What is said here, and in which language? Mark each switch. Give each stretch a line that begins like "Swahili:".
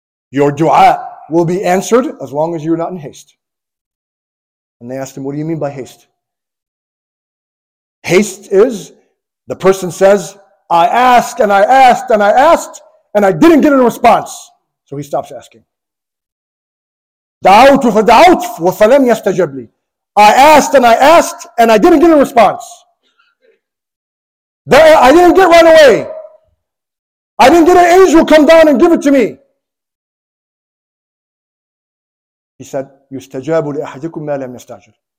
English: Your dua will be answered as long as you're not in haste. And they asked him, what do you mean by haste? Haste is, the person says, I asked and I asked and I asked and I didn't get a response. So he stops asking.
Arabic: دعوت فدعوت وفلم يستجب لي.
English: I asked and I asked and I didn't get a response. I didn't get right away. I didn't get an angel come down and give it to me. He said,
Arabic: يُسْتَجَابُ لِأَحَدِكُمْ مَا لَمْ يَسْتَعْجِلُ.